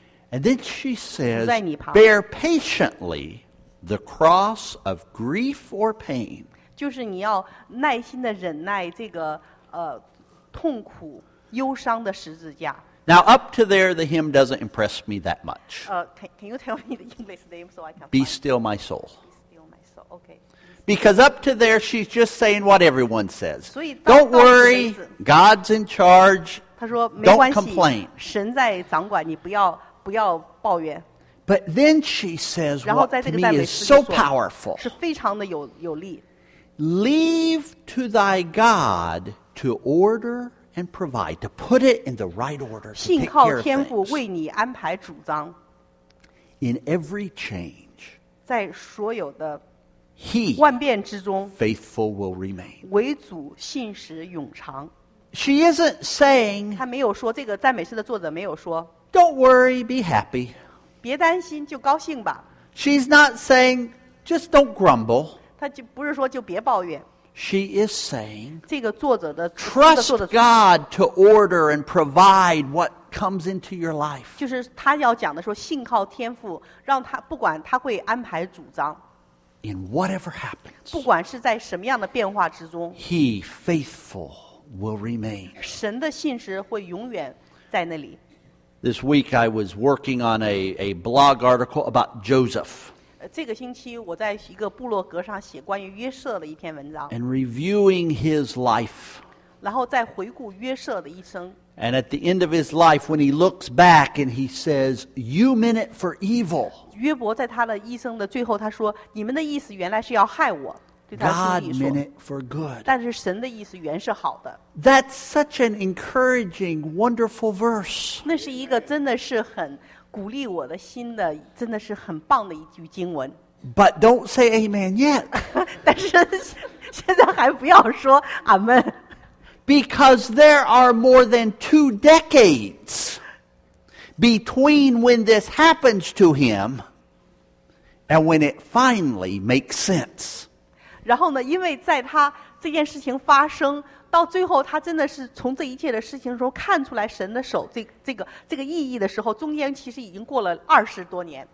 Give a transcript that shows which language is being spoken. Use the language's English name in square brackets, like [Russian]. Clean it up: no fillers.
[English] And then she says, bear patiently. The cross of grief or pain. [Chinese] 就是你要耐心地忍耐这个痛苦忧伤的十字架。 [English] Now up to there, the hymn doesn't impress me that much. Can you tell me the English name so I can? Be still, my soul. Be still, my soul. Okay. Because up to there, she's just saying what everyone says. [Chinese] 所以 [English] don't worry, God's in charge. [Chinese] 他说没关系。 [English] Don't complain. [Chinese] 神在掌管，你不要抱怨。 [English] But then she says what to me is so powerful. [Chinese] 是非常的有力。 [English] Leave to thy God to order and provide, to put it in the right order, to take care of things. [Chinese] 信靠天父为你安排主张。 [English] In every change, [Chinese] 在所有的万变之中 [English] faithful will remain. [Chinese] 为主信实永长。 [English] She isn't saying, [Chinese] 她没有说这个赞美诗的作者没有说 [English] don't worry, be happy. [Chinese] 别担心就高兴吧。 [English] She's not saying, just don't grumble. [Chinese] 她就不是说就别抱怨。 [English] She is saying, [Chinese] 这个作者的 [English] trust God to order and provide what comes into your life. [Chinese] 就是她要讲的说信靠天父让她不管她会安排主张。 [English] In whatever happens, [Chinese] 不管是在什么样的变化之中 [English] He faithful will remain. [Chinese] 神的信实会永远在那里。 [English] This week I was working on a blog article about Joseph. [Chinese] 这个星期我在一个部落格上写关于约瑟的一篇文章。 [English] And reviewing his life. [Chinese] 然后再回顾约瑟的一生。 [English] And at the end of his life, when he looks back and he says, "You meant it for evil." [Chinese] 约伯在他的一生的最后，他说：“你们的意思原来是要害我。” [English] God meant it for good. [Chinese] 但是神的意思原是好的。 [English] That's such an encouraging, wonderful verse. [Chinese] 那是一个真的是很鼓励我的心的，真的是很棒的一句经文。 [English] But don't say amen yet. [Chinese] 但是现在还不要说阿们。 [English] Because there are more than 2 decades between when this happens to him and when it finally makes sense. [Chinese] 然后呢因为在他这件事情发生到最后他真的是从这一切的事情中看出来神的手这个意义的时候中间其实已经过了20多年